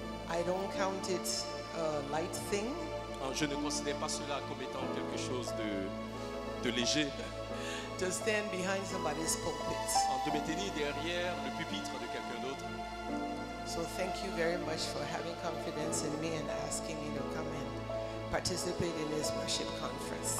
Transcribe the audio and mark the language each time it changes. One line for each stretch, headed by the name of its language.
English: I don't count it a light thing.
French: Je ne considère pas cela comme étant quelque chose de léger.
English: To stand behind somebody's pulpit.
French: De me tenir derrière le pupitre de quelqu'un d'autre.
English: So thank you very much for having confidence in me and asking me to come and participate in this worship conference.